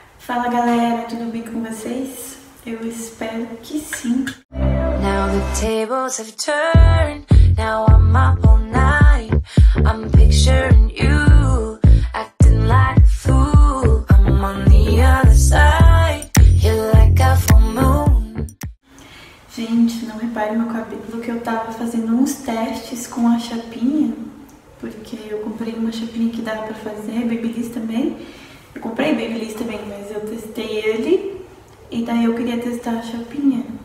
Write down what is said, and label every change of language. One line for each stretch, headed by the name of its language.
Portuguese: Fala galera, tudo bem com vocês? Eu espero que sim.
English: Now the tables have turned, now I'm up all night. I'm picturing you acting like a fool. I'm on the other side, you're like a full moon.
Portuguese: Gente, não repare meu cabelo que eu tava fazendo uns testes com a chapinha, porque eu comprei uma chapinha que dava pra fazer, Babyliss também. Eu comprei Babyliss também, mas eu testei ele e daí eu queria testar a chapinha.